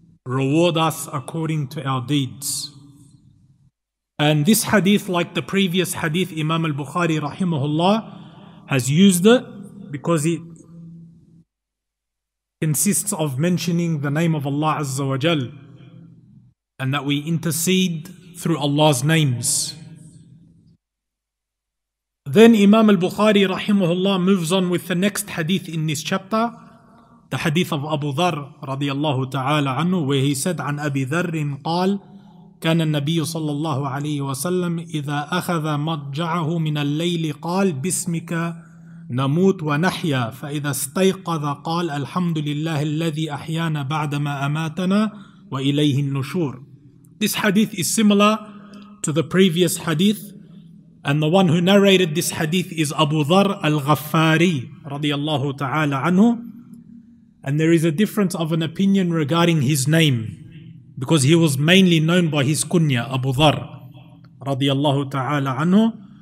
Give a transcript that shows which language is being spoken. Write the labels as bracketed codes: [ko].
[en] reward us according to our deeds. And this hadith, like the previous hadith, Imam Al-Bukhari rahimahullah has used it because it consists of mentioning the name of Allah Azza wa Jal, and that we intercede through Allah's names. Then Imam Al-Bukhari rahimahullah moves on with the next hadith in this chapter, the hadith of Abu Dharr radiyallahu ta'ala anhu, where he said, [ar] عن أبي ذر قال كان النبي صلى الله عليه وسلم إذا أخذ مضجعه من الليل قال باسمك نموت ونحيا فإذا استيقظ قال الحمد لله الذي أحيانا بعدما أماتنا وإليه النشور. [en] This hadith is similar to the previous hadith, and the one who narrated this hadith is Abu Dharr al-Ghaffari radiyallahu ta'ala anhu. And there is a difference of an opinion regarding his name, because he was mainly known by his kunya, Abu Dharr radiyallahu ta'ala anhu.